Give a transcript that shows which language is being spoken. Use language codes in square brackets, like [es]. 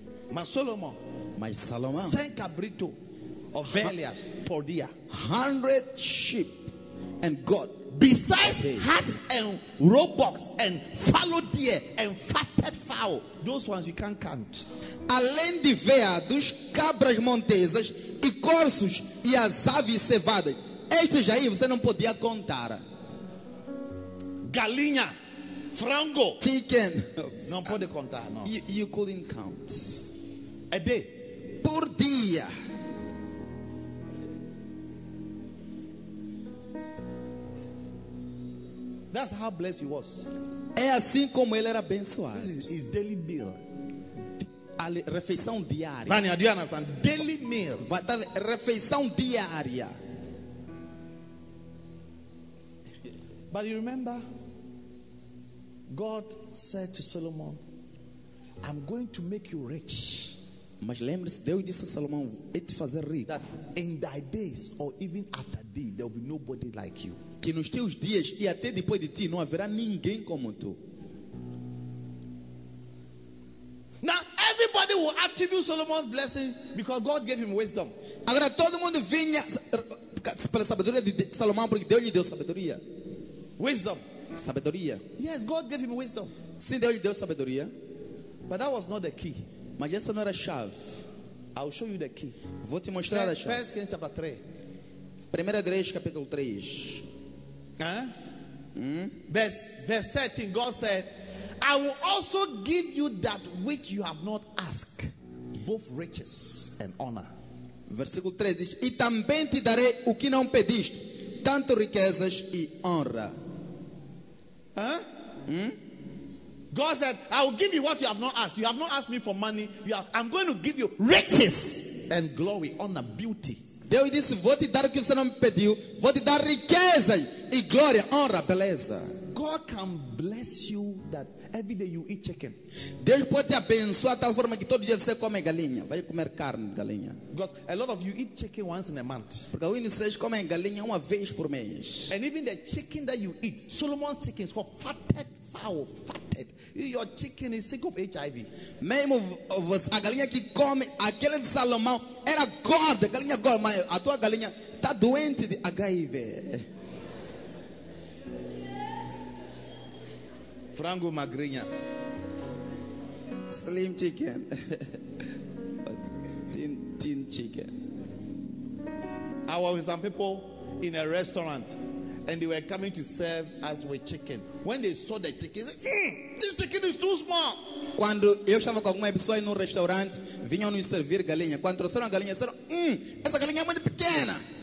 [pt] Mas Solomon. Mas Salomão. 100 cabrito. Ovelhas por dia. [en] 100 sheep and God. Besides hats and roebucks and fallow deer and fatted fowl. Those ones you can't count. [pt] Além de veados, cabras montesas e corços e as aves cevadas. Estes aí você não podia contar. Galinha, frango. [en] Chicken. [pt] Não pode contar, não. [en] You couldn't count. A day. [pt] por dia. [en] That's how blessed he was. [pt] É assim como ele era abençoado. [en] This is his daily meal. [pt] A refeição diária. [en] Vania, do you understand? Daily meal. [pt] Refeição diária. [en] But you remember, God said to Solomon, I'm going to make you rich. [pt] Mas lembre-se, Deus disse a Salomão, vou te fazer rico. [en] That in thy days, or even after thee, there will be nobody like you. [pt] Que nos teus dias e até depois de ti não haverá ninguém como tu. [en] Now everybody will attribute Solomon's blessing because God gave him wisdom. [pt] Agora todo mundo vinha pela sabedoria de Salomão porque Deus lhe deu sabedoria. [en] Wisdom. [pt] Sabedoria. [en] Yes, God gave him wisdom. [pt] Sim, Deus lhe deu sabedoria. [en] But that was not the key. [pt] Mas essa não era a chave. [en] I'll show you the key. [pt] Vou te mostrar a chave. 1 Coríntios 3. 1 Coríntios capítulo 3. [en] Verse 13, God said, I will also give you that which you have not asked, both riches and honor. [pt] Versículo 13 diz, e também te darei o que não pediste, tanto riquezas e honra. [en] God said, I will give you what you have not asked. You have not asked me for money. I'm going to give you riches and glory, honor, beauty. [pt] Deus disse, vou te dar o que você não me pediu. Vou te dar riqueza e glória, honra, beleza. [en] God can bless you that every day you eat chicken. [pt] Deus pode te abençoar de tal forma que todo dia você come galinha. Vai comer carne de galinha. [en] Because a lot of you eat chicken once in a month. [pt] Porque alguns de vocês comem galinha uma vez por mês. [en] And even the chicken that you eat, Solomon's chicken is called fatted fowl, fatted. Your chicken is sick of HIV. [pt] Mesmo a galinha que come, aquele de Salomão, era gorda, galinha gorda, mas a tua galinha está doente de HIV. Frango magrinha. [en] Slim chicken. Thin chicken. I was with some people in a restaurant. And they were coming to serve us with chicken. When they saw the chicken, they said, this chicken is too small. [pt] Quando eu estava com alguma pessoa em um restaurante, vinham nos servir galinha. Quando trouxeram a galinha, disseram, essa galinha é muito pequena.